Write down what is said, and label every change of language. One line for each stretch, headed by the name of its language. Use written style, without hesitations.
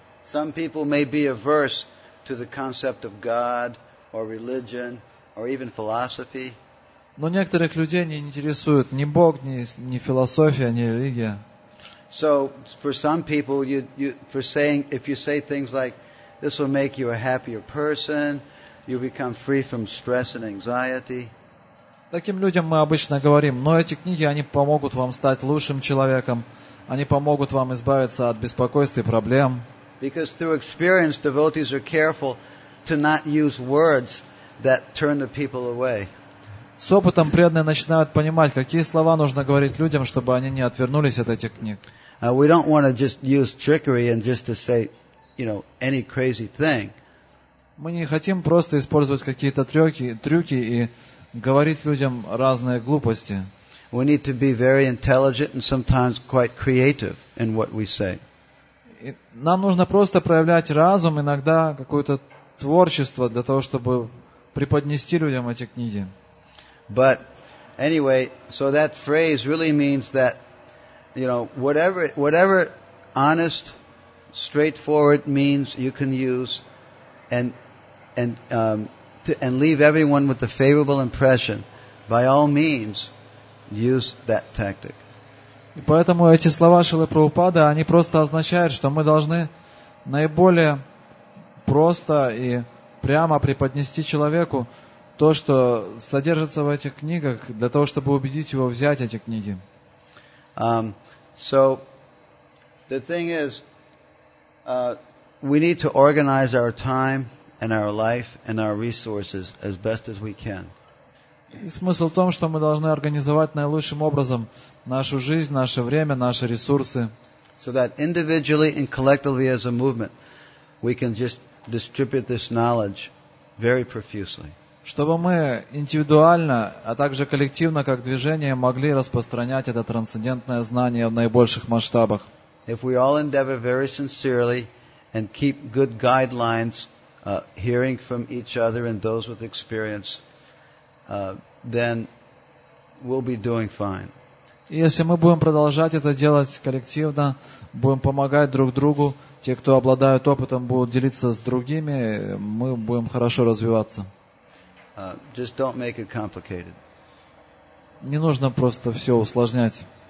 English: Some people may be averse to the concept of God or religion or even philosophy.
Russian: Но некоторых людей не интересует ни Бог, ни философия, ни религия.
English: So for some people, if you say things like this will make you a happier person, you become free from stress and anxiety.
Russian: Таким людям мы обычно говорим: но эти книги, они помогут вам стать лучшим человеком, они помогут вам избавиться от беспокойств и проблем.
English: Because through experience, devotees are careful to not use words that turn the people away.
Russian: С опытом преданные начинают понимать, какие слова нужно говорить людям, чтобы они не отвернулись от этих книг.
English: We don't want to just use trickery and just to say, you know, any crazy thing.
Russian: Мы не хотим просто использовать какие-то трюки и говорить людям разные глупости.
English: We need to be very intelligent and sometimes quite creative in what we say.
Russian: Нам нужно просто проявлять разум, иногда какое-то творчество для того, чтобы преподнести людям эти книги.
English: But anyway, so that phrase really means that, you know, whatever honest, straightforward means you can use and leave everyone with a favorable impression, by all means, use that tactic.
Russian: И поэтому эти слова Шрилы Прабхупады, они просто означают, что мы должны наиболее просто и прямо преподнести человеку то, что содержится в этих книгах, для того, чтобы убедить его взять эти книги.
English: So, the thing is, we need to organize our time and our life and our resources as best as we can.
Russian: И смысл в том, что мы должны организовать наилучшим образом нашу жизнь, наше время, наши ресурсы.
English: So that individually and collectively as a movement, we can just distribute this knowledge very profusely.
Russian: Чтобы мы индивидуально, а также коллективно, как движение, могли распространять это трансцендентное знание в наибольших масштабах.
English: If we all endeavor very sincerely and keep good guidelines, hearing from each other and those with experience, then we'll be doing fine.
Russian: И если мы будем продолжать это делать коллективно, будем помогать друг другу, те, кто обладают опытом, будут делиться с другими, мы будем хорошо развиваться.
English: Just don't make it complicated.
Russian: Не нужно просто все усложнять.